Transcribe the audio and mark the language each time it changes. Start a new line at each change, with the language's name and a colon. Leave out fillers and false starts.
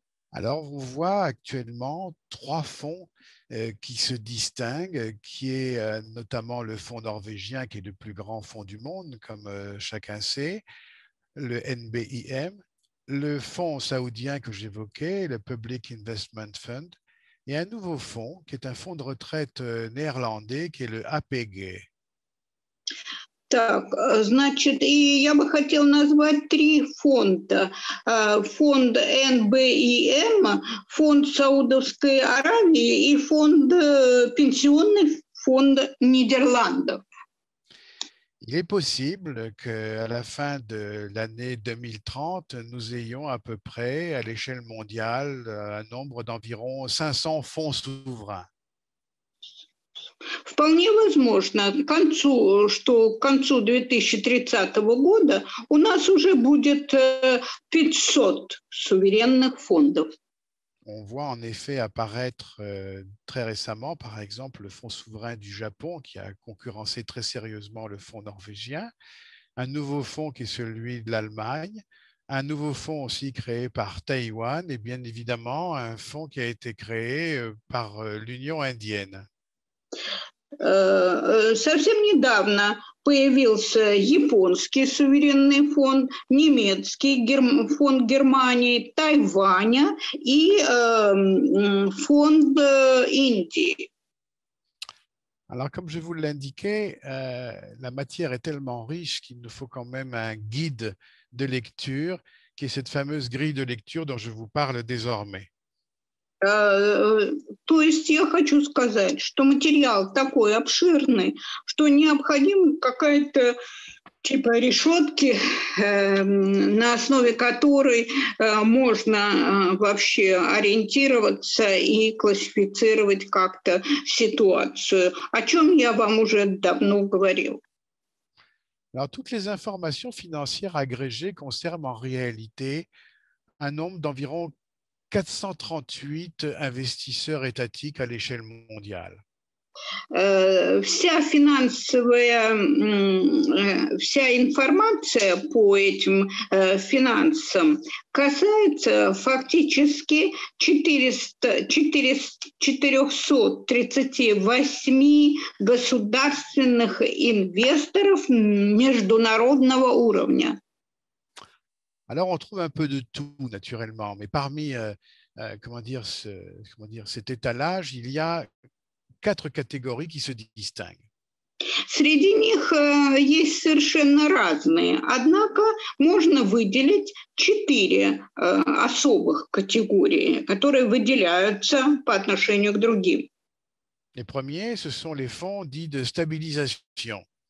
French: Alors, on voit actuellement trois fonds qui se distinguent, qui est notamment le fonds norvégien, qui est le plus grand fonds du monde, comme chacun sait, le NBIM, le fonds saoudien que j'évoquais, le Public Investment Fund, et un nouveau fonds, qui est un fonds de retraite néerlandais, qui est le APG.
Russian: Так, значит, и я бы хотел назвать три фонда. Фонд NBIM, фонд Саудовской Аравии и фонд пенсионный фонд Нидерландов.
French: Il est possible que à la fin de l'année 2030, nous ayons à peu près à l'échelle mondiale un nombre d'environ 500 fonds souverains.
Russian: Вполне возможно, к концу 2030 года у нас уже будет 500 суверенных фондов.
French: On voit en effet apparaître très récemment, par exemple, le fonds souverain du Japon qui a concurrencé très sérieusement le fonds norvégien, un nouveau fonds qui est celui de l'Allemagne, un nouveau fonds aussi créé par Taïwan et bien évidemment un fonds qui a été créé par l'Union indienne.
Russian: Совсем недавно появился японский суверенный фонд, немецкий фонд Германии, Тайваня и фонд Индии.
French: Alors, comme je vous l'indiquais, la matière est tellement riche qu'il nous faut quand même un guide de lecture, qui est cette fameuse grille de lecture dont je vous parle désormais.
Russian: То есть я хочу сказать, что материал такой обширный, что необходимо какая-то типа решетки, на основе которой можно вообще ориентироваться и классифицировать как-то ситуацию, о чем я вам уже давно говорил.
French: Alors, toutes les informations financières agrégées concernent en réalité un nombre d'environ 438 investisseurs étatiques à l'échelle mondiale.
Russian: Вся финансовая, вся информация по этим финансам касается фактически 438 государственных инвесторов международного уровня.
French: Alors, on trouve un peu de tout, naturellement, mais parmi comment dire, cet étalage, il y a quatre catégories qui se distinguent.
Russian: Среди них есть совершенно разные, однако можно выделить четыре особых категории, которые выделяются по отношению к другим.
French: Les premiers, ce sont les fonds dits de stabilisation.